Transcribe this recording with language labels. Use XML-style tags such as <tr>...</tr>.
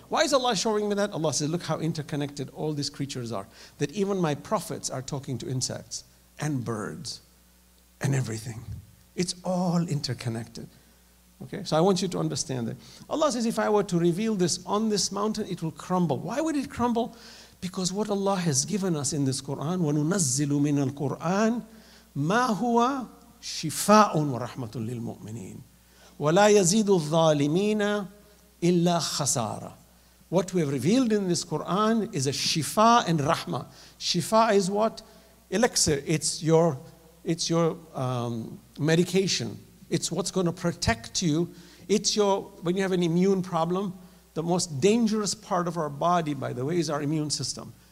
<en>Why is Allah showing me that? Allah says, look how interconnected all these creatures are, that even my prophets are talking to insects and birds and everything. It's all interconnected. Okay, so I want you to understand that. Allah says, if I were to reveal this on this mountain, it will crumble. Why would it crumble? Because what Allah has given us in this Quran,</en> <ar>وَنُنَزِّلُ مِنَ الْقُرْآنِ مَا هُوَ شِفَاءٌ وَرَحْمَةٌ لِلْمُؤْمِنِينَ وَلَا يَزِيدُ الظَّالِمِينَ إِلَّا خَسَارًا.</ar> <en>What we have revealed in this Quran is a shifa and rahma. Shifa is what? Elixir. It's your medication. It's what's going to protect you. It's your, when you have an immune problem. The most dangerous part of our body, by the way, is our immune system.</en>